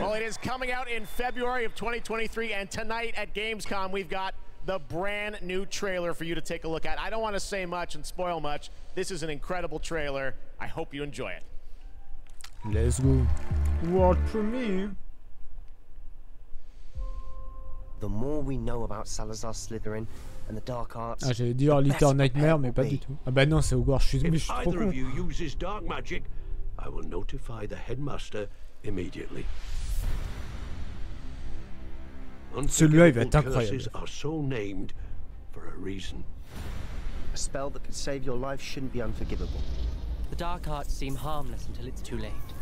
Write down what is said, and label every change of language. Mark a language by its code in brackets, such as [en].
[en] Well, it is coming out in February of 2023, and tonight at Gamescom, we've got the brand new trailer for you to take a look at. I don't want to say much and spoil much. This is an incredible trailer. I hope you enjoy it. Let's go. What for me? The more we know about Salazar Slytherin, and the dark arts, [fr] ah, j'allais dire Little Nightmare, mais pas du tout. Ah bah non, c'est Hogwarts, je suis trop con. [en] If either of you uses dark magic, I will notify the headmaster immediately. [fr] Celui-là, il va être incroyable. [en] Curses are so named for a reason. A spell that could save your life shouldn't be unforgivable. The dark arts seem harmless until it's too late.